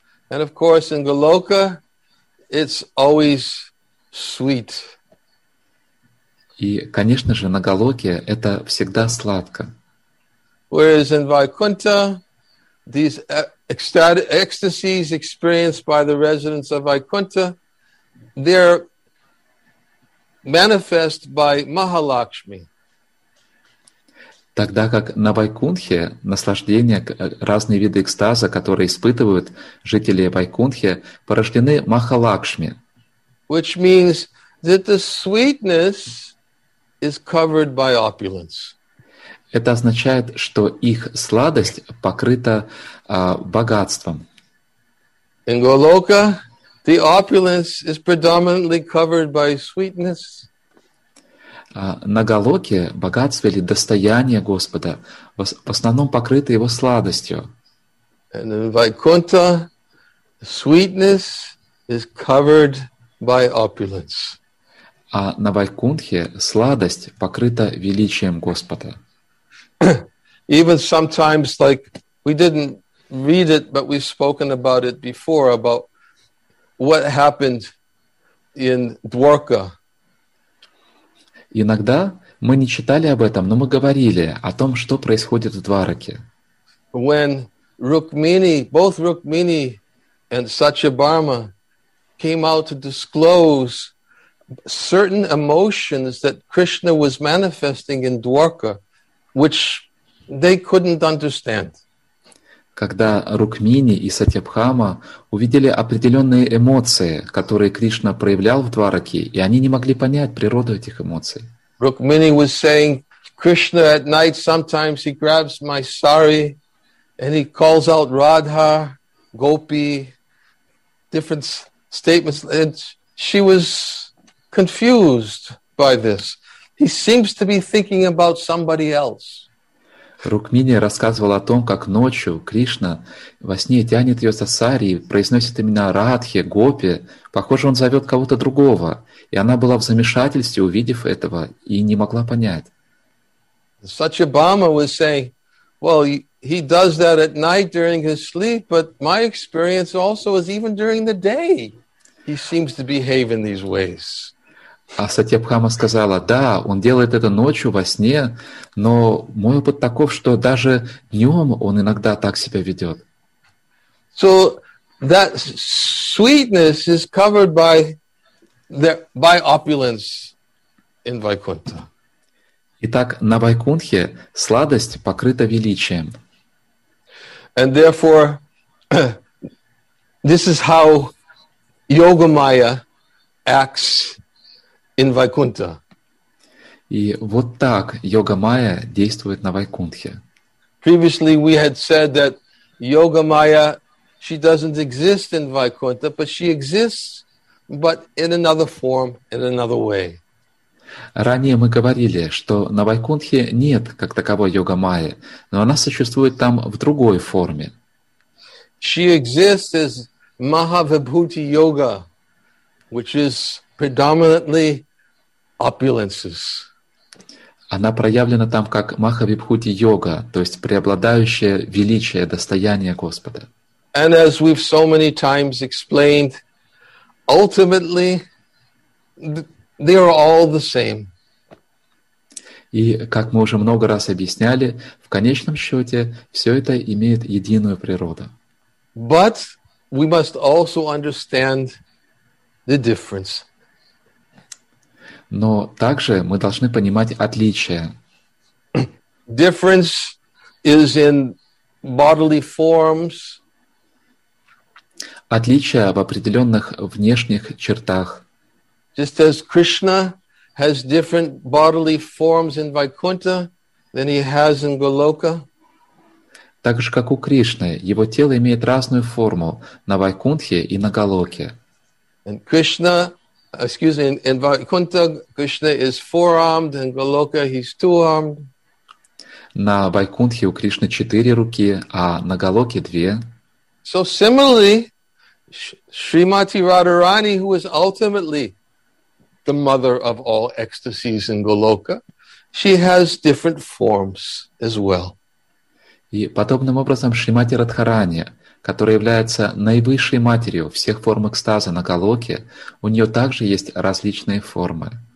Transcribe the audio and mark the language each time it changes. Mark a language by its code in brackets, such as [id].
[en] And of course, in Goloka, it's always sweet. [ru] И, конечно же, на Голоке это всегда сладко. [en] Whereas in Vaikuntha, these ecstasies experienced by the residents of Vaikuntha, they're manifest by Mahalakshmi. [ru] Тогда как на Вайкунхе наслаждения, разные виды экстаза, которые испытывают жители Вайкунхе, порождены Махалакшми. [en] Which means that the sweetness is covered by opulence. [ru] Это означает, что их сладость покрыта богатством. [en] In Goloka, the opulence is predominantly covered by sweetness. [ru] На Голоке богатство или достояние Господа в основном покрыто Его сладостью. [en] And in Vaikuntha, sweetness is covered by opulence. [ru] А на Вайкунхе сладость покрыта величием Господа. [en] Even sometimes, like, we didn't read it, but we've spoken about it before, about what happened in Dwarka. [ru] Иногда мы не читали об этом, но мы говорили о том, что происходит в Двараке. [en] When Rukmini, both Rukmini and Satyabhama came out to disclose certain emotions that Krishna was manifesting in Dwarka, which they couldn't understand. [ru] Когда Рукмини и Сатьябхама увидели определенные эмоции, которые Кришна проявлял в Двараке, и они не могли понять природу этих эмоций. [en] Rukmini was saying, Krishna at night sometimes he grabs my sari and he calls out Radha, Gopi, different statements. And she was confused by this. He seems to be thinking about somebody else. [ru] Рукмини рассказывала о том, как ночью Кришна во сне тянет ее за сари и произносит имена Радхи, Гопи. Похоже, он зовет кого-то другого. И она была в замешательстве, увидев этого, и не могла понять. [en] Satyabhama was saying, well, he does that at night during his sleep, but my experience also is even during the day he seems to behave in these ways. [ru] А Сатьябхама сказала, да, он делает это ночью во сне, но мой опыт таков, что даже днем он иногда так себя ведет. [en] So that sweetness is covered by the, by opulence in Vaikuntha. [ru] Итак, на Вайкунхе сладость покрыта величием. [en] And therefore, this is how Yogamaya acts in Vaikuntha. [ru] И вот так йога майя действует на Вайкунтхе. [en] Previously we had said that yoga maya, she doesn't exist in Vaikuntha, but she exists, but in another form, in another way. [ru] Ранее мы говорили, что на Вайкунтхе нет как таковой йога майя, но она существует там в другой форме. [en] She exists as Mahavibhuti Yoga, which is predominantly opulences. [ru] Она проявлена там как Махавибхути йога, то есть преобладающее величие, достояние Господа. [en] And as we've so many times explained, ultimately they are all the same. [ru] И как мы уже много раз объясняли, в конечном счете все это имеет единую природу. [en] But we must also understand the difference. [ru] Но также мы должны понимать отличия. [en] Difference is in bodily forms. [ru] Отличия в определенных внешних чертах. [en] Just as Krishna has different bodily forms in Vaikuntha, than he has in Goloka. [ru] Так же, как у Кришны, его тело имеет разную форму на Вайкунтхе и на Галоке. [en] And Krishna, excuse me, in Vaikuntha, Krishna is four-armed, in Goloka he's two-armed. [ru] На Вайкунтхе у Кришны четыре руки, а на Галоке две. [en] So similarly, Srimati Radharani, who is ultimately the mother of all ecstasies in Goloka, she has different forms as well. [ru] И подобным образом Шримати Радхарани, которая является наивысшей матерью всех форм экстаза на Галоке, у нее также есть различные формы.